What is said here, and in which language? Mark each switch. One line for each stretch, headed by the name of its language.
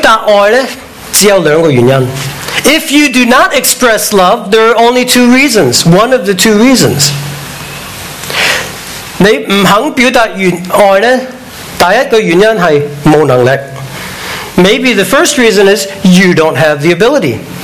Chinese: 那如果你是不表达爱呢，只有两个原因。
English: If you do not express love, there are only two reasons. One of the two reasons.
Chinese: 你不肯表达爱呢，第一个原因是无能力。
English: Maybe the first reason is you don't have the ability.